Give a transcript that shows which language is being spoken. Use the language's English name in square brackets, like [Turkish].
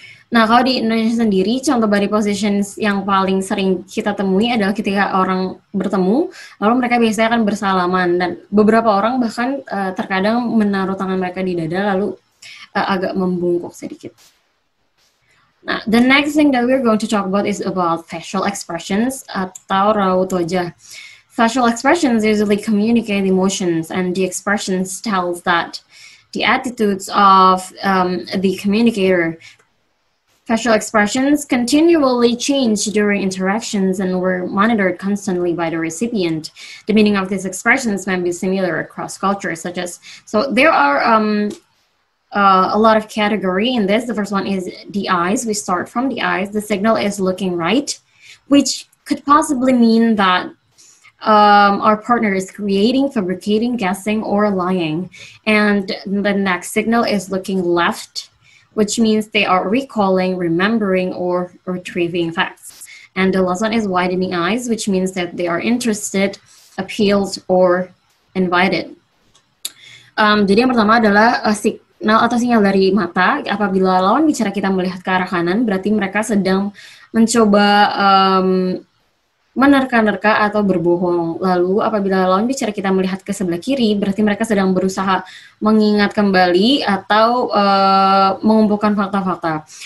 [Indonesian] Nah, kalau di Indonesia sendiri, contoh body positions yang paling sering kita temui adalah ketika orang bertemu, lalu mereka biasanya akan bersalaman, dan beberapa orang bahkan terkadang menaruh tangan mereka di dada, lalu agak membungkuk sedikit. [English] Nah, the next thing that we're going to talk about is about facial expressions [Indonesian] atau raut wajah. [English] Facial expressions usually communicate emotions, and the expressions tells that the attitudes of the communicator. Facial expressions continually change during interactions and were monitored constantly by the recipient. The meaning of these expressions may be similar across cultures, such as, so there are a lot of category in this. The first one is the eyes. We start from the eyes. The signal is looking right, which could possibly mean that our partner is creating, fabricating, guessing, or lying. And the next signal is looking left, which means they are recalling, remembering, or retrieving facts. And the last one is widening eyes, which means that they are interested, appealed, or invited. [Indonesian] Jadi yang pertama adalah signal atau sinyal dari mata. Apabila lawan bicara kita melihat ke arah kanan, berarti mereka sedang mencoba menerka-nerka atau berbohong. Lalu apabila lawan bicara kita melihat ke sebelah kiri, berarti mereka sedang berusaha mengingat kembali atau mengumpulkan fakta-fakta.